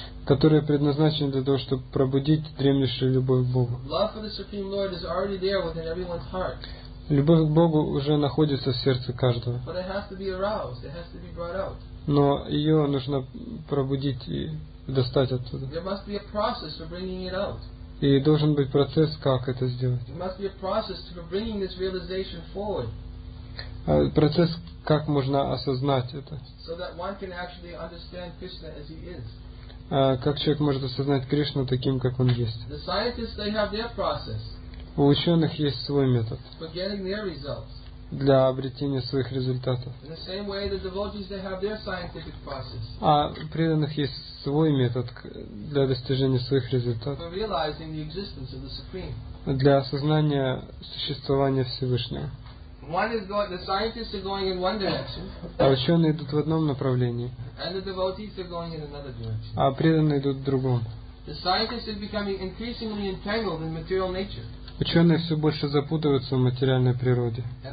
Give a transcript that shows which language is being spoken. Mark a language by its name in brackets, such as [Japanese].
[Russian] которые предназначены для того, чтобы пробудить дремлющую любовь к Богу. [English] Love for the Supreme Lord is already there within everyone's heart. [Russian] Любовь к Богу уже находится в сердце каждого. [English] But it has to be aroused. It has to be brought out. [Russian] Но ее нужно пробудить и достать оттуда. [English] There must be a process for bringing it out. [Russian] И должен быть процесс, как это сделать. [English] There must be a process for bringing this realization forward. [Russian] Процесс, как можно осознать это. [English] So that one can actually understand Krishna as he is. [Russian] Как человек может осознать Кришну таким, как он есть. [English] The scientists, they have their process. [Russian] У ученых есть свой метод. [English] For getting their results. [Russian] Для обретения своих результатов. [English] In the same way, the devotees, they have their scientific process. [Russian] А у преданных есть свой метод для достижения своих результатов. [English] For realizing the existence of the Supreme. [Russian] Для осознания существования Всевышнего. [English] One is going, the scientists are going in one direction. [Russian] А ученые идут в одном направлении. [English] And the devotees are going in another direction. [Russian] А преданные идут в другом. [English] The scientists are becoming increasingly entangled in material nature. [Russian] Ученые все больше запутываются в материальной природе.